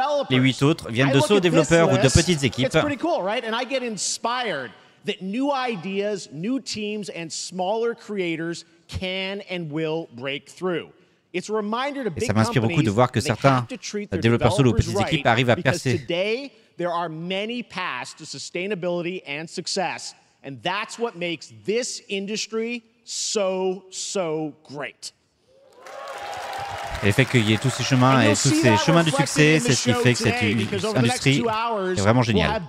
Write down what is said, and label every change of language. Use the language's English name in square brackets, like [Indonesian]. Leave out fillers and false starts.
[French] Les 8 autres viennent de solo développeurs ou de petites équipes. C'est cool, [English] right? And I get inspired. That new ideas, new teams, and smaller creators can and will break through. It's a reminder to big companies. [French] Et ça m'inspire beaucoup de voir que certains développeurs solo ou petites équipes arrivent à percer. [English] Because today there are many paths to sustainability and success, and that's what makes this industry so so great. [French] Le fait qu'il y ait tous ces chemins et tous ces chemins du succès, c'est ce qui fait que cette industrie est vraiment géniale.